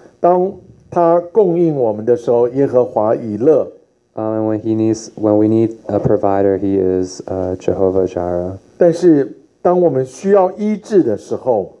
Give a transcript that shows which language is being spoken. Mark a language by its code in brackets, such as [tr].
[zh] 当他供应我们的时候，耶和华以勒。 [en] And when we need a provider, he is Jehovah Jireh. [zh] 但是当我们需要医治的时候。